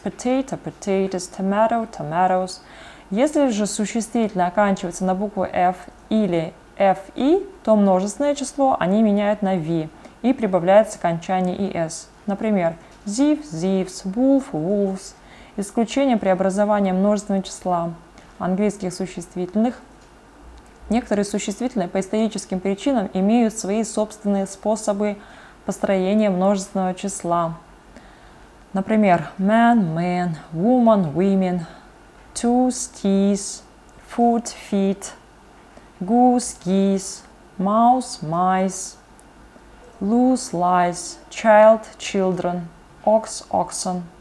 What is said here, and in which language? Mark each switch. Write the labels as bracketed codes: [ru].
[en] Potato, potatoes, tomato, tomatoes. [ru] Если же существительное оканчивается на букву F или FE, то множественное число они меняют на V и прибавляется окончание ES. [en] Например, zeef, zeefs, wolf, wolves. [ru] Исключение преобразования множественного числа английских существительных. Некоторые существительные по историческим причинам имеют свои собственные способы построения множественного числа. [en] Например, man, men, woman, women, tooth, teeth, foot, feet, goose, geese, mouse, mice, loose, lice, child, children, ox, oxen.